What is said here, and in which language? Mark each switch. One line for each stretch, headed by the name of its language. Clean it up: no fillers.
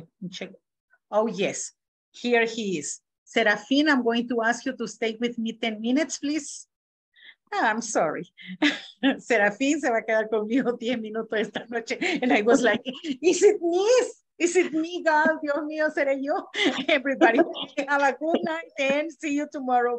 English: Check. Oh, yes. Here he is. Serafine, I'm going to ask you to stay with me 10 minutes, please. Oh, I'm sorry.
Spanish: Serafine se va a quedar conmigo 10 minutos esta noche.
English: And I was like, is it me? Is it me, God?
Spanish: Dios mío, seré yo.
English: Everybody, have a good night and see you tomorrow.